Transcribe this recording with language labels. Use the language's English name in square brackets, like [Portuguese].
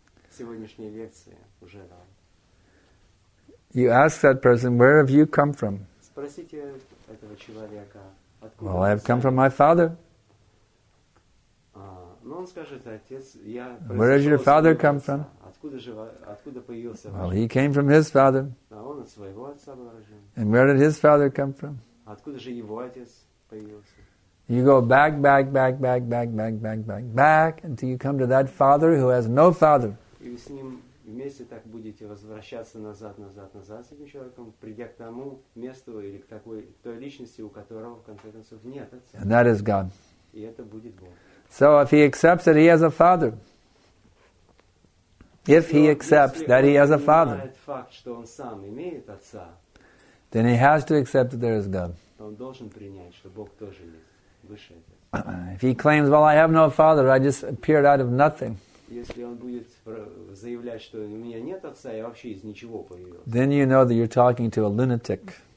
[Russian] Сегодняшняя лекция уже дал. [English] You ask that person, where have you come from? [Russian] Спросите этого человека, откуда. [English] Well, I have come from my father. [Russian] Ну, он скажет, отец, я. [English] Where has your father come from? [Russian] Откуда появился? [English] Well, he came from his father. [Russian] А он от своего отца был рожден. [English] And where did his father come from? [Russian] Откуда же его отец появился? [English] You go back until you come to that father who has no father. [Russian] И с ним вместе так будете возвращаться назад с этим человеком, придя к тому месту или к такой той личности, у которого в конце концов нет отца. [English] And that is God. [Russian] И это будет Бог. [English] So if he accepts that he has a father, if he accepts that he has a father, [Russian] факт, что он сам имеет отца, [English] then he has to accept that there is God. [Russian] Он должен принять, что Бог тоже есть. [English] If he claims, well, I have no father, I just appeared out of nothing, then you know that you're talking to a lunatic.